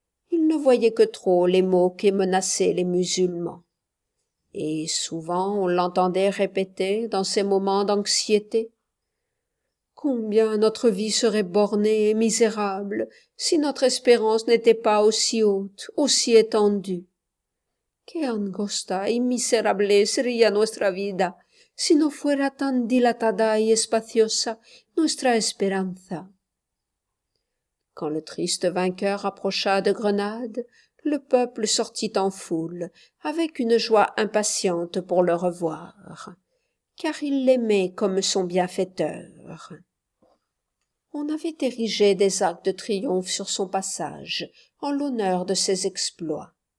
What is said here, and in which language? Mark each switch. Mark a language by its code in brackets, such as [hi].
[fr] Il ne voyait que trop les maux qui menaçaient les musulmans. Et souvent on l'entendait répéter dans ses moments d'anxiété. Combien notre vie serait bornée et misérable si notre espérance n'était pas aussi haute, aussi étendue. [es] Que angosta y miserable sería nuestra vida si no fuera tan dilatada y espaciosa nuestra esperanza. [fr] Quand le triste vainqueur approcha de Grenade, le peuple sortit en foule, avec une joie impatiente pour le revoir, car il l'aimait comme son bienfaiteur. On avait érigé des arcs de triomphe sur son passage, en l'honneur de ses exploits.